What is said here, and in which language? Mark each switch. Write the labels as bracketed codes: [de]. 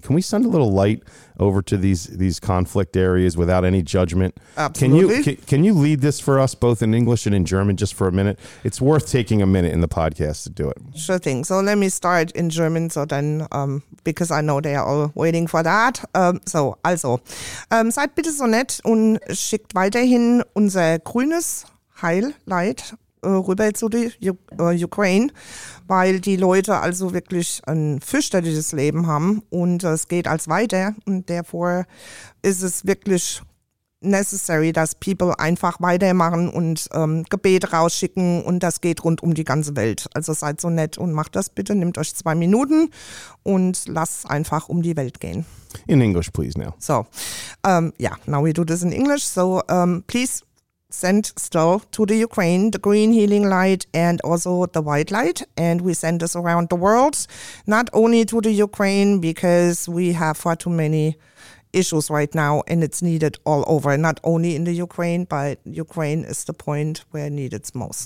[en] Can we send a little light over to these conflict areas without any judgment? Absolutely. Can you lead this for us both in English and in German just for a minute? It's worth taking a minute in the podcast to do it. Sure thing. So let me start in German. So then, because I know they are all waiting for that. [de] Seid bitte so nett und schickt weiterhin unser grünes Heil, Leid rüber zu der Ukraine, weil die Leute also wirklich ein fürchterliches Leben haben und es geht als weiter und therefore ist es wirklich necessary, dass people einfach weitermachen und Gebet rausschicken und das geht rund um die ganze Welt. Also seid so nett und macht das bitte, nehmt euch 2 Minuten und lasst einfach um die Welt gehen. [en] In English, please, now. So, now we do this in English. So, please send still to the Ukraine the green healing light and also the white light, and we send this around the world, not only to the Ukraine, because we have far too many issues right now and it's needed all over, not only in the Ukraine, but Ukraine is the point where it needs it most.